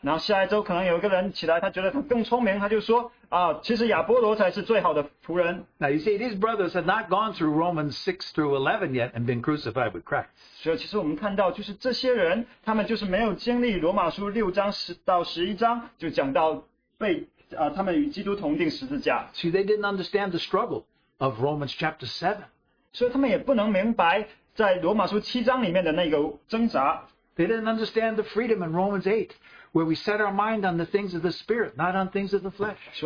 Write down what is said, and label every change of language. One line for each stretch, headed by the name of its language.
English: Now you see, these brothers have not gone through Romans 6 through 11 yet and been crucified with Christ. See, they didn't understand the struggle of Romans chapter 7.
Chinese: 所以他们也不能明白在罗马书七章里面的那个挣扎.
English: They didn't understand the freedom in Romans 8, where we set our mind on the things of the Spirit, not on things of the flesh.